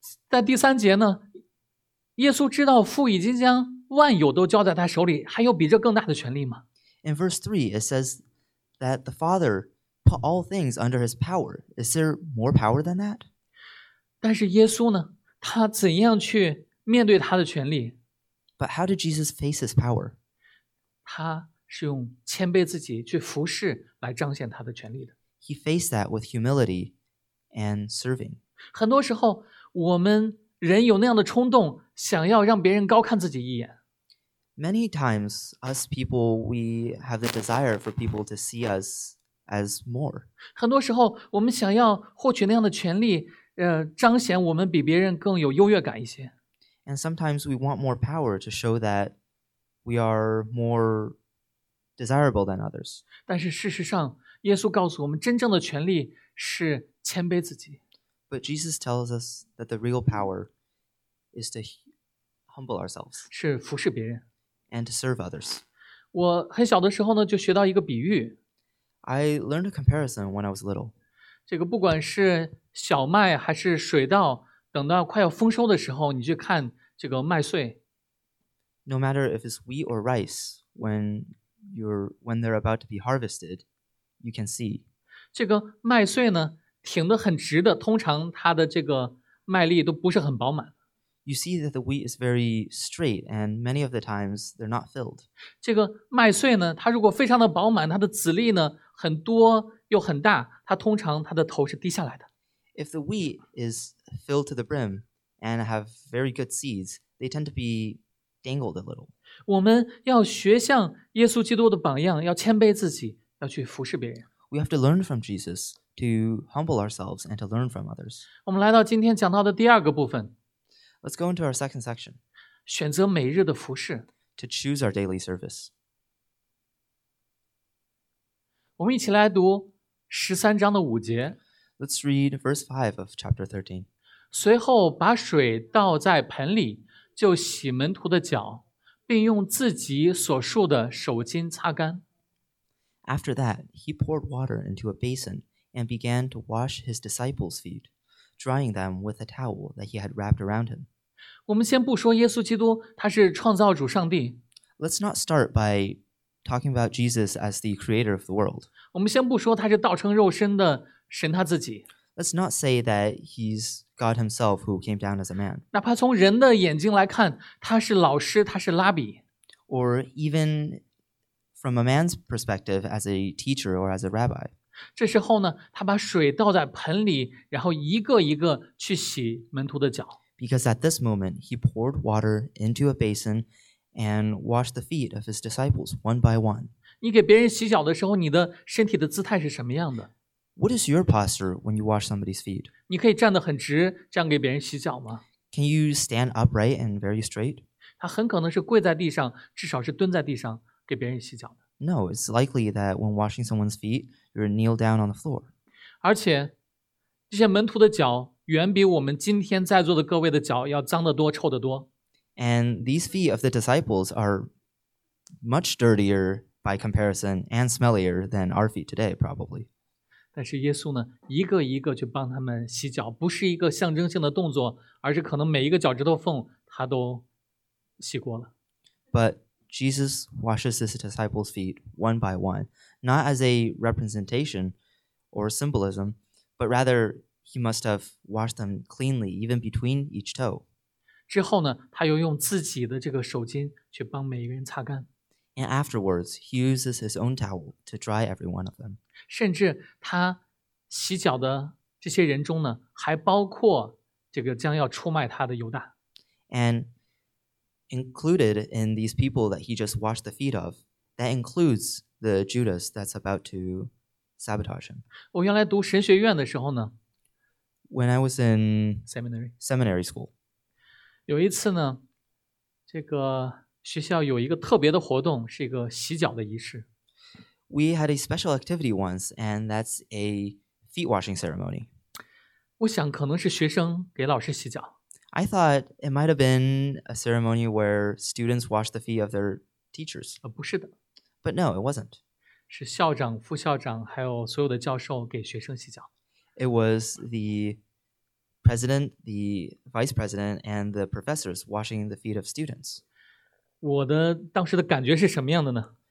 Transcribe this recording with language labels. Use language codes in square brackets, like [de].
[zh] 在第三节呢，耶稣知道父已经将万有都交在他手里，还有比这更大的权利吗？ [en] In verse 3, it says that the Father put all things under his power. Is there more power than that? [zh] 但是耶稣呢，他怎样去面对他的权利？ [en] But how did Jesus face his power? [zh] 他是用谦卑自己去服侍来彰显他的权利的。 [en] He faced that with humility and serving. [zh] 很多时候我们人有那样的冲动，想要让别人高看自己一眼。 [en] Many times, us people, we have the desire for people to see us as more. [zh] 很多时候我们想要获取那样的权利，彰显我们比别人更有优越感一些。 [en] And sometimes we want more power to show that we are more desirable than others. [zh] 但是事实上，耶稣告诉我们，真正的权力是谦卑自己。 [en] But Jesus tells us that the real power is to humble ourselves. [zh] 是服侍别人。 [en] And to serve others. [zh] 我很小的时候呢，就学到一个比喻。 [en] I learned a comparison when I was little. [zh] 这个不管是小麦还是水稻。等到快要丰收的时候，你去看这个麦穗。 [en] No matter if it's wheat or rice, when they're about to be harvested, you can see. [zh] 这个麦穗呢，挺得很直的，通常它的这个麦粒都不是很饱满。 [en] You see that the wheat is very straight, and many of the times they're not filled. [zh] 这个麦穗呢，它如果非常的饱满，它的籽粒呢很多又很大，它通常它的头是低下来的。 [en] If the wheat is filled to the brim and have very good seeds, they tend to be dangled a little. [zh] 我们要学像耶稣基督的榜样，要谦卑自己，要去服侍别人。 [en] We have to learn from Jesus to humble ourselves and to learn from others. [zh] 我们来到今天讲到的第二个部分。 [en] Let's go into our second section. [zh] 选择每日的服侍。 [en] To choose our daily service. [zh] 我们一起来读十三章的五节。 [en] Let's read verse 5 of chapter 13. [zh] 随后把水倒在盆里，就洗门徒的脚，并用自己所束的手巾擦干。 [en] After that, he poured water into a basin and began to wash his disciples' feet, drying them with a towel that he had wrapped around him. [zh] 我们先不说耶稣基督，他是创造主上帝。 [en] Let's not start by talking about Jesus as the creator of the world. [zh] 我们先不说他是道成肉身的神他自己。 [en] Let's not say that he's God himself who came down as a man. [zh] 哪怕从人的眼睛来看，他是老师，他是拉比。 [en] Or even from a man's perspective as a teacher or as a rabbi. [zh] 这时候呢，他把水倒在盆里，然后一个一个去洗门徒的脚。 [en] Because at this moment, he poured water into a basin and washed the feet of his disciples one by one. [zh] 你给别人洗脚的时候，你的身体的姿态是什么样的？ [en] What is your posture when you wash somebody's feet? [zh] 你可以站得很直，这样给别人洗脚吗？ [en] Can you stand upright and very straight? [zh] 他很可能是跪在地上，至少是蹲在地上给别人洗脚的。 [en] No, it's likely that when washing someone's feet, you're kneeled down on the floor. [zh] 而且，这些门徒的脚远比我们今天在座的各位的脚要脏得多，臭得多。 [en] And these feet of the disciples are much dirtier by comparison and smellier than our feet today, probably. [zh] 但是耶稣呢，一个一个去帮他们洗脚，不是一个象征性的动作，而是可能每一个脚趾头缝他都洗过了。 [en] But Jesus washes his disciples' feet one by one, not as a representation or symbolism, but rather he must have washed them cleanly, even between each toe. [zh] 之后呢，他又用自己的这个手巾去帮每一个人擦干。 [en] And afterwards, he uses his own towel to dry every one of them. [zh] 甚至他洗脚的这些人中呢，还包括这个将要出卖他的犹大。 [en] And included in these people that he just washed the feet of, that includes the Judas that's about to sabotage him. [zh] 我原来读神学院的时候呢 [en] ，When I was in seminary school, [zh] 有一次呢，这个学校有一个特别的活动，是一个洗脚的仪式。 [en] We had a special activity once, and that's a feet washing ceremony. [zh] 我想可能是学生给老师洗脚。 [en] I thought it might have been a ceremony where students washed the feet of their teachers. [zh] 不是的。 [en] But no, it wasn't. [zh] 是校长、副校长还有所有的教授给学生洗脚。 [en] It was the president, the vice president, and the professors washing the feet of students. [zh] 我的当时的感觉是什么样的呢